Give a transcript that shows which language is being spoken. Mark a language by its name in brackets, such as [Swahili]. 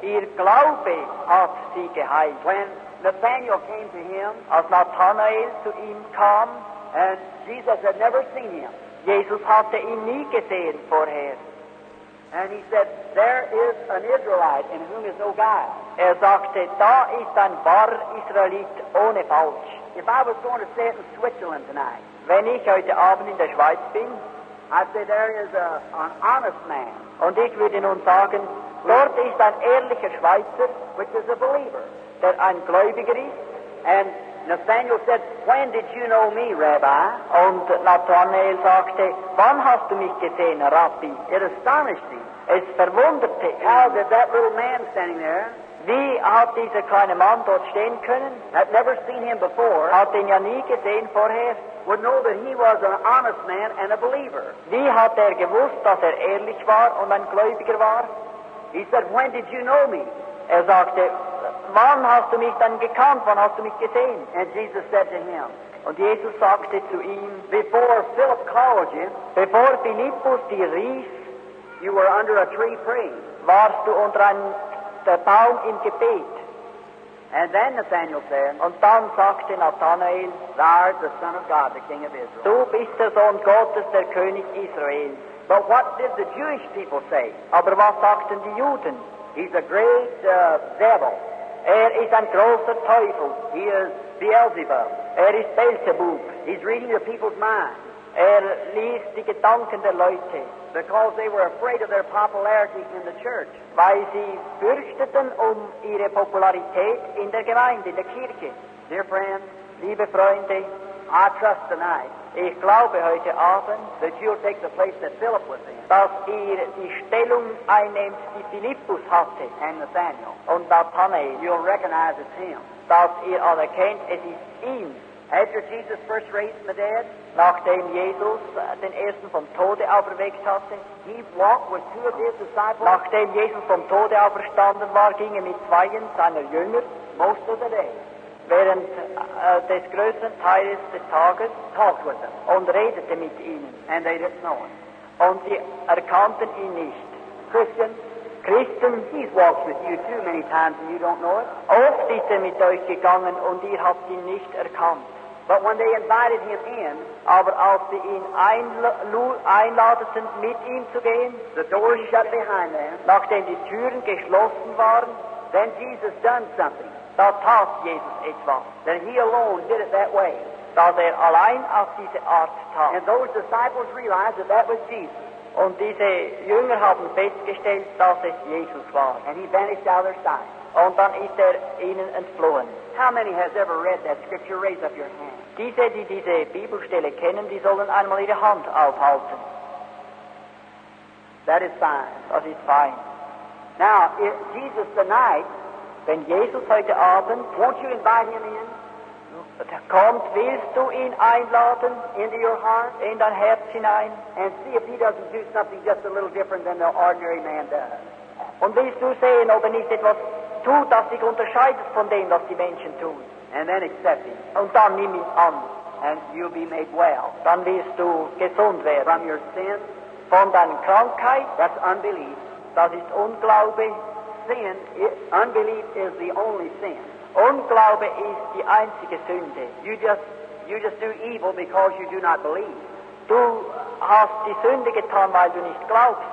[German] Ihr Glaube hat sie geheilt. [English] When Nathanael came to him, [German] als Nathanael zu ihm kam, [English] and Jesus had never seen him. [German] Jesus hatte ihn nie gesehen vorher. [English] And he said, there is an Israelite in whom is no guile. [German] Sagte, da ist ein wahrer Israelit ohne Falsch. [English] If I was going to stay in Switzerland tonight, [German] wenn ich heute Abend in der Schweiz bin, [English] I'd say there is an honest man. [German] Und ich würde nun sagen, dort ist ein ehrlicher Schweizer, [English] which is a believer, [German] der ein Gläubiger ist. [English] And Nathanael said, when did you know me, Rabbi? [German] Und Nathanael sagte, wann hast du mich gesehen, Rabbi? [English] It astonished him. [German] Es verwunderte ihn. [English] How did that little man standing there? [German] Wie hat dieser kleine Mann dort stehen können? [English] Had never seen him before. [German] Hat ihn ja nie gesehen vorher. [English] Would know that he was an honest man and a believer. [German] Wie hat gewusst, dass ehrlich war und ein Gläubiger war? [English] He said, when did you know me? [German] Sagte, wann hast du mich dann gekannt? Wann hast du mich gesehen? [English] And Jesus said to him, [German] und Jesus sagte zu ihm, [English] before Philip called you, [German] bevor Philippus dir rief, [English] you were under a tree praying. [German] Warst du unter einem der Baum im Gebet. [English] And then Nathanael said, [German] und dann sagte Nathanael, [English] thou art the Son of God, the King of Israel. [German] Du bist der Sohn Gottes, der König Israel. [English] But what did the Jewish people say? [German] Aber was sagten die Juden? [English] He's a great devil. [German] Ist ein großer Teufel. [English] He is Beelzebub. [German] Ist Beelzebub. [English] He's reading the people's mind. [German] Liest die Gedanken der Leute. [English] Because they were afraid of their popularity in the church. [German] Weil sie fürchteten ihre Popularität in der Gemeinde, in der Kirche. [English] Dear friends, [German] liebe Freunde, [English] I trust tonight, [German] ich glaube heute Abend, [English] that you'll take the place that Philip was in, [German] dass ihr die Stellung einnimmt, die Philippus hatte, [English] and Nathanael, [German] und Nathanael, [English] you'll recognize it's him, [German] dass ihr anerkennt, es ist ihm. [English] After Jesus first raised from the dead, [German] nachdem Jesus den ersten vom Tode auferweckt hatte, [English] he walked with two of his disciples. [German] Nachdem Jesus vom Tode auferstanden war, ging mit zweien seiner Jünger [English] most of the day, [German] während des größten Teils des Tages, [English] talked with them [German] und redete mit ihnen, [English] and they didn't know him, [German] und sie erkannten ihn nicht. [English] Christian, he's walked with you too many times and you don't know it. [German] Oft ist mit euch gegangen und ihr habt ihn nicht erkannt. [English] But when they invited him in, [German] aber als sie ihn einladeten, mit ihm zu gehen, [English] the door shut behind them, [German] nachdem die Türen geschlossen waren, [English] then Jesus done something. [German] Da tat Jesus etwas. [English] Then he alone did it that way. [German] Da allein auf diese Art tat. [English] And those disciples realized that was Jesus. [German] Und diese Jünger haben festgestellt, dass es Jesus war. [English] And he vanished out of their sight. [German] Und dann ist ihnen entflohen. [English] How many has ever read that scripture? Raise up your hand. [German] Diese, die diese Bibelstelle kennen, die sollen einmal ihre Hand aufhalten. [English] That is fine. [German] Das ist fine. [English] Now, if Jesus tonight, [German] wenn Jesus heute Abend, [English] won't you invite him in? [German] Kommt, willst du ihn einladen [English] into your heart, [German] in dein Herz hinein, [English] and see if he doesn't do something just a little different than the ordinary man does. [German] Und willst du sehen, ob nicht etwas tut, das sich unterscheidet von dem, was die Menschen tun. [English] And then accept him. [German] Und dann nimm ihn an. [English] And you'll be made well. [German] Dann wirst du gesund werden. [English] From your sin. [German] Von deiner Krankheit. [English] That's unbelief. [German] Das ist Unglaube. [English] Sin. Unbelief is the only sin. [German] Unglaube ist die einzige Sünde. [English] You just do evil because you do not believe. [German] Du hast die Sünde getan, weil du nicht glaubst.